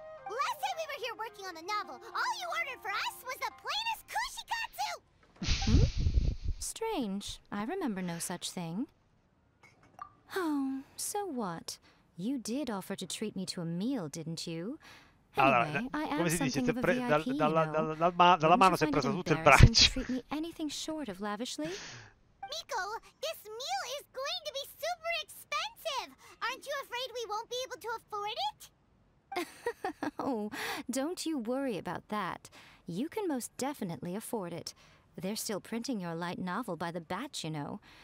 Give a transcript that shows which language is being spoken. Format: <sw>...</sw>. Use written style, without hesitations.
<en>Last time we were here working on the novel, all you ordered for us was the plainest kushikatsu! Strange. I remember no such thing. Oh, so what? You did offer to treat me to a meal, didn't you? Anyway,</en> <it>come si dice, VIP, pre- dal, dalla, dalla mano si è presa tutto il braccio.</it> <en>Treat me anything short of lavishly? Miko, this meal is going to be super expensive! Aren't you afraid we won't be able to afford it? Oh, don't you worry about that. You can most definitely afford it. They're still printing your light novel by the batch, you know.</en>